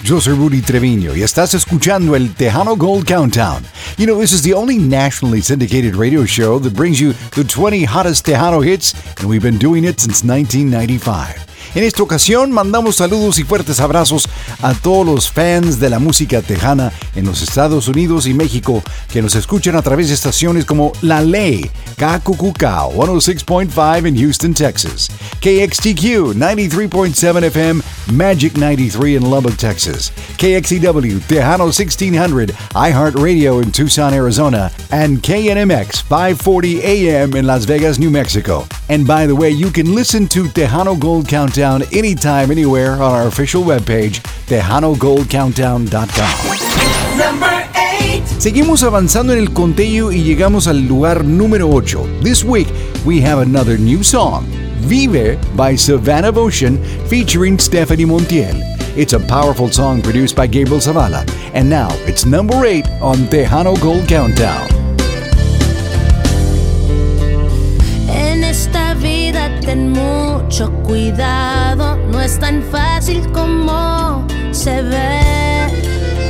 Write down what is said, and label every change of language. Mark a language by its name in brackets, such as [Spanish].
[Spanish] Yo soy Rudy Treviño y estás escuchando el Tejano Gold Countdown. [English] You know, this is the only nationally syndicated radio show that brings you the 20 hottest Tejano hits, and we've been doing it since 1995. [Spanish] En esta ocasión, mandamos saludos y fuertes abrazos a todos los fans de la música tejana en los Estados Unidos y México que nos escuchan a través de estaciones como La Ley, KQQK 106.5 en Houston, Texas, KXTQ 93.7 FM, Magic 93 en Lubbock, Texas, KXEW Tejano 1600, iHeartRadio en Tucson, Arizona, and KNMX 540 AM en Las Vegas, New Mexico. [English] And by the way, you can listen to Tejano Gold Countdown down anytime, anywhere on our official webpage, TejanoGoldCountdown.com. Number 8. [Spanish] Seguimos avanzando en el conteo y llegamos al lugar número 8. [English] This week, we have another new song, Vive by Savannah Ocean featuring Stephanie Montiel. It's a powerful song produced by Gabriel Zavala. And now, it's number 8 on Tejano Gold Countdown. [Spanish] En esta vida ten mucho cuidado, no es tan fácil como se ve.